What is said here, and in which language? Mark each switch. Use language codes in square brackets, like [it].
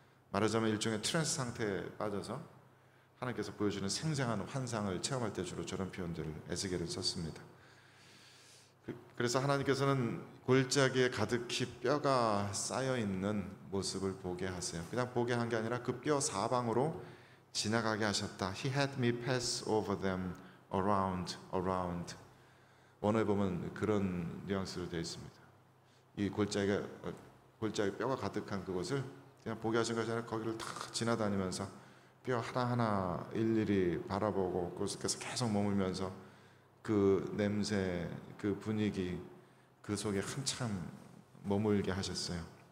[ko] 말하자면 일종의 트랜스 상태에 빠져서 하나님께서 보여주는 생생한 환상을 체험할 때 주로 저런 표현들을 에스겔은 썼습니다. 그래서 하나님께서는 골짜기에 가득히 뼈가 쌓여있는 모습을 보게 하세요. 그냥 보게 한 게 아니라 그 뼈 사방으로 지나가게 하셨다. [en] He had me pass over them around, around. [ko] 원어에 보면 그런 뉘앙스로 되어 있습니다. 이 골짜기 뼈가 가득한 그곳을 그냥 보게 하신 것이 아니라 거기를 탁 지나다니면서 뼈 하나하나 일일이 바라보고 그곳에서 계속 머물면서 그 냄새, 그 분위기, 그 속에 한참 머물게 하셨어요.